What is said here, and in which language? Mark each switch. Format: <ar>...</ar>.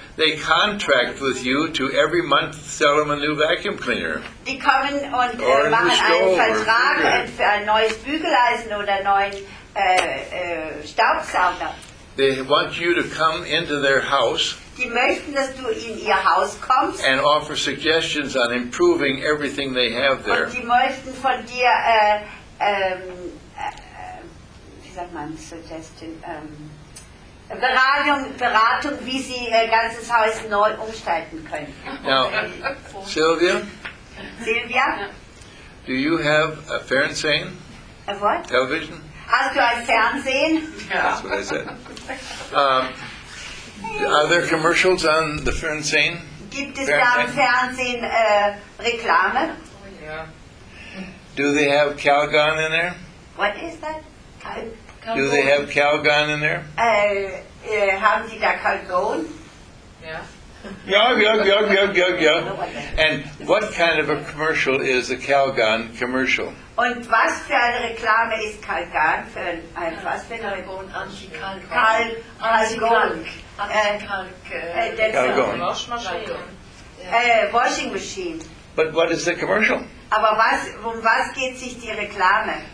<en>They contract with you to every month sell them a new vacuum cleaner.</en> <de>Die kommen und machen einen Vertrag für ein neues Bügeleisen oder einen neuen Staubsauger.</de> <en>They want you to come into their house.</en> <de>Die möchten, dass du in ihr Haus kommst.</de> <en>And offer suggestions on improving everything they have there.</en> <de>Und die möchten von dir Beratung, wie sie ihr ganzes Haus neu umstalten können.</de> <en>Now, Sylvia? Sylvia? Do you have a Fernsehen? A what? Television?</en> <de>Hast du ein Fernsehen?</de> <en>That's what I said. Are there commercials on the Fernsehen?</en> <de>Gibt es da im Fernsehen Reklame?</de> <en>Yeah. Do they have Calgon in there? What is that? Do they have Calgon in there?</en> <de>Haben die da Calgon?</de> <en>Yeah. And what kind of a commercial is a Calgon commercial?</en> <de>Und was für eine Reklame ist Calgon für ein was für eine</de> <en>Calgon Calgon. Washing machine. But what is the commercial?</en> <de>Aber was, um was geht sich die Reklame?</de>